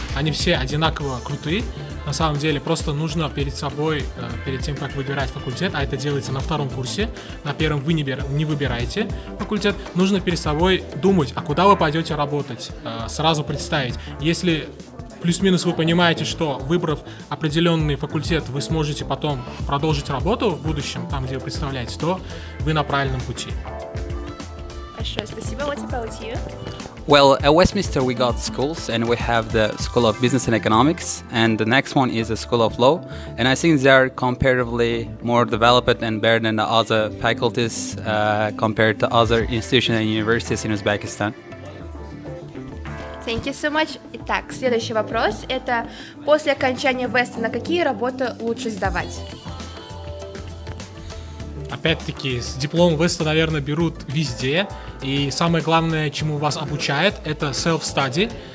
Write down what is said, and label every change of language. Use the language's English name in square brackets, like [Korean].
[Russian] Они все одинаково крутые. На самом деле, просто нужно перед собой, перед тем, как выбирать факультет, а это делается на втором курсе, на первом вы не выбираете факультет, нужно перед собой думать, а куда вы пойдете работать, сразу представить. Если плюс-минус вы понимаете, что выбрав определенный факультет, вы сможете потом продолжить работу в будущем, там, где вы представляете, то вы на правильном пути. Хорошо, спасибо. [English] What about you? Well, at Westminster we got schools, and we have the School of Business and Economics, and the next one is the School of Law, and I think they are comparatively more developed and better than the other faculties compared to other institutions and universities in Uzbekistan. Thank you so much. [Russian] Итак, следующий вопрос – это после окончания Веста на какие работы лучше сдавать? Опять-таки, с диплом Веста, наверное, берут везде. И самое главное, чему вас обучают, это self-study.